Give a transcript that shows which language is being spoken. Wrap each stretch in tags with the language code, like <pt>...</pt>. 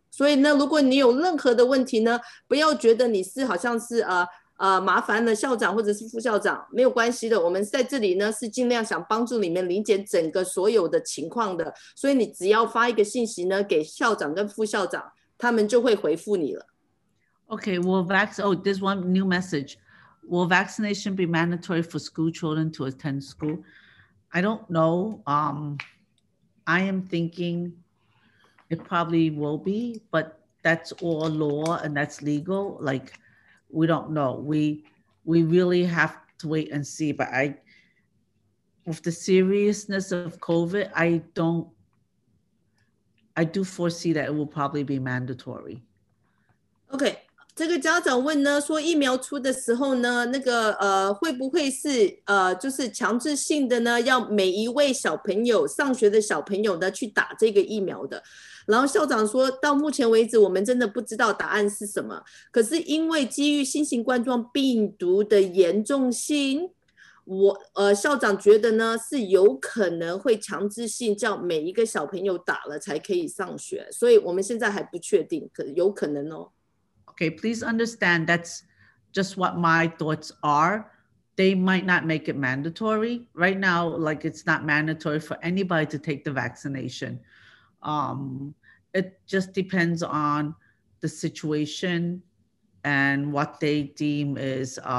<zh>所以呢，如果你有任何的问题呢，不要觉得你是好像是麻烦了校长或者是副校长，没有关系的，我们在这里呢是尽量想帮助你们理解整个所有的情况的，所以你只要发一个信息呢给校长跟副校长，他们就会回复你了。</zh> <en>Okay, will there's one new message. Will vaccination be mandatory for school children to attend school? I don't know. I am thinking it probably will be, but that's all law and that's legal. Like, we don't know. We really have to wait and see. But with the seriousness of COVID, I do foresee that it will probably be mandatory. Okay.</en> <zh>这个家长问呢，说疫苗出的时候呢，那个会不会是就是强制性的呢？要每一位小朋友上学的小朋友呢去打这个疫苗的？然后校长说到目前为止，我们真的不知道答案是什么。可是因为基于新型冠状病毒的严重性，校长觉得呢是有可能会强制性叫每一个小朋友打了才可以上学，所以我们现在还不确定，可有可能哦。</zh> <en>Okay, please understand that's just what my thoughts are. They might not make it mandatory. Right now, like it's not mandatory for anybody to take the vaccination. It just depends on the situation and what they deem is,</en>